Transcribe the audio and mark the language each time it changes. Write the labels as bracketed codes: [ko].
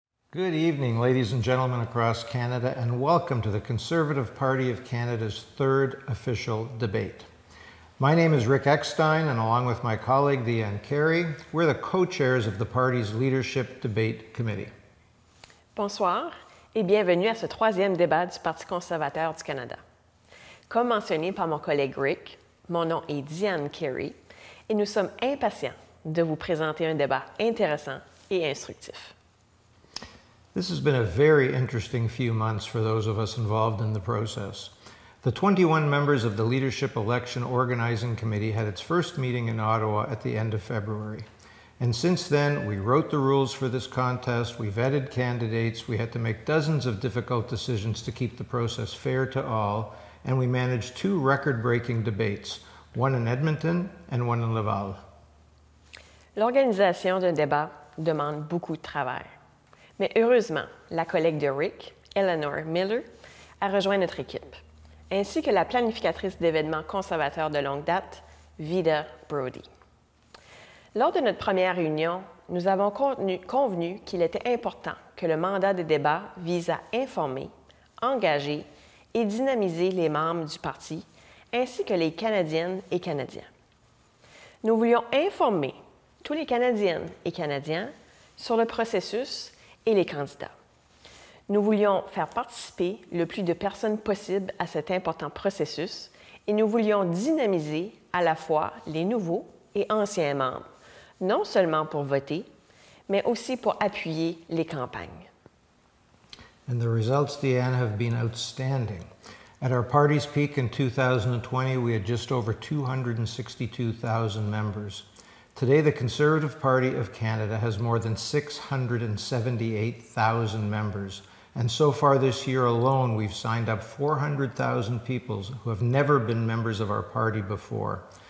[en] Good evening, ladies and gentlemen across Canada, and welcome to the Conservative Party of Canada's third official debate. My name is Rick Eckstein, and along with my colleague, Deanne Carey, we're the co-chairs of the party's Leadership Debate Committee. [fr] Bonsoir, et bienvenue à ce troisième débat du Parti conservateur du Canada. Comme mentionné par mon collègue Rick, mon nom est Deanne Carey, et nous sommes impatients de vous présenter un débat intéressant et instructif. [en] This has been a very interesting few months for those of us involved in the process. The 21 members of the Leadership Election Organizing Committee had its first meeting in Ottawa at the end of February. And since then, we wrote the rules for this contest, we vetted candidates, we had to make dozens of difficult decisions to keep the process fair to all, and we managed two record-breaking debates, one in Edmonton and one in Laval. [fr] L'organisation d'un débat demande beaucoup de travail. Mais heureusement, la collègue de Rick, Eleanor Miller, a rejoint notre équipe, ainsi que la planificatrice d'événements conservateurs de longue date, Vida Brody. Lors de notre première réunion, nous avons convenu qu'il était important que le mandat de débat vise à informer, engager et dynamiser les membres du parti, ainsi que les Canadiennes et Canadiens. Nous voulions informer tous les Canadiennes et Canadiens sur le processus et les candidats. Nous voulions faire participer le plus de personnes possible à cet important processus et nous voulions dynamiser à la fois les nouveaux et anciens membres, non seulement pour voter, mais aussi pour appuyer les campagnes. [en] And the results, Deanne, have been outstanding. At our party's peak in 2020, we had just over 262,000 members. Today, the Conservative Party of Canada has more than 678,000 members. And so far this year alone, we've signed up 400,000 people who have never been members of our party before.